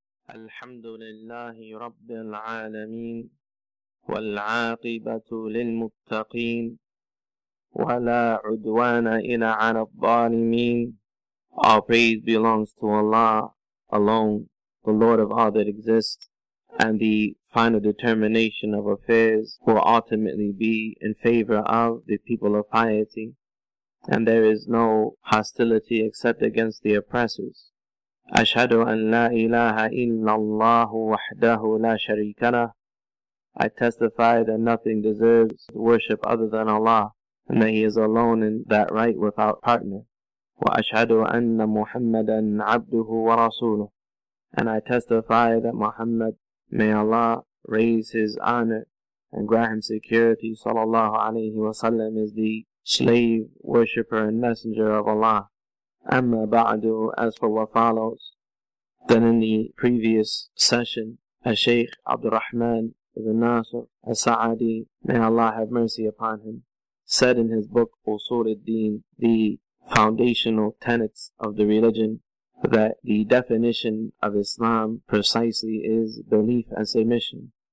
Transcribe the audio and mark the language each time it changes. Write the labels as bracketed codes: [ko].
[ar] الحمد لله رب العالمين، والعاقبة للمتقين، ولا عدوان إلا على الظالمين. [en] Our praise belongs to Allah alone, the Lord of all that exists, and the final determination of affairs will ultimately be in favor of the people of piety, and there is no hostility except against the oppressors. [ar] أشهد أن لا إله إلا الله وحده لا شريك له. [en] I testify that nothing deserves worship other than Allah, and that He is alone in that right without partner. [ar] وأشهد أن محمدا عبده ورسوله. [en] And I testify that Muhammad, may Allah raise his honor and grant him security, [ar] صلى الله عليه وسلم, [en] is the slave, worshipper, and messenger of Allah. [ar] أما بعد, [en] as for what follows, then in the previous session, Sheikh Abd al-Rahman ibn Nasr al-Sa'adi, may Allah have mercy upon him, said in his book, Usul al-Din, the foundational tenets of the religion, that the definition of Islam precisely is belief and submission,